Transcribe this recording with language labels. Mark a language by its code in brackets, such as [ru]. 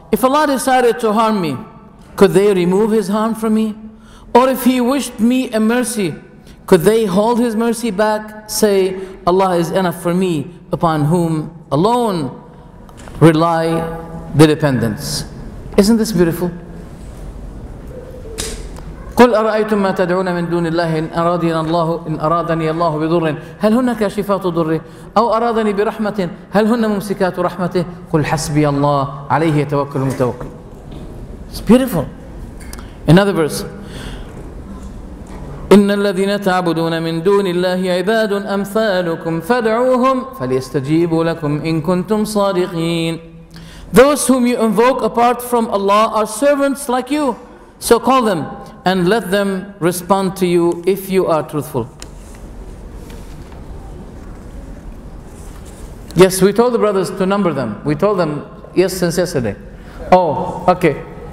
[en] If Allah decided to harm me, could they remove His harm from me? Or if He wished me a mercy, could they hold His mercy back? Say, Allah is enough for me, upon whom alone rely the dependence. Isn't this beautiful? [ar] قل أرأيتم ما تدعون من دون الله إن أرادني الله إن أرادني الله بضر هل هن كاشفات ضره أو أرادني برحمة هل هن ممسكات رحمته قل حسبي الله عليه يتوكل المتوكل. [en] It's beautiful. Another verse. [ar] إن الذين تعبدون من دون الله عباد أمثالكم فادعوهم فليستجيبوا لكم إن كنتم صادقين. [en] Those whom you invoke apart from Allah are servants like you, so call them and let them respond to you if you are truthful. Yes, we told the brothers to number them. We told them, yes, since yesterday. Oh, okay.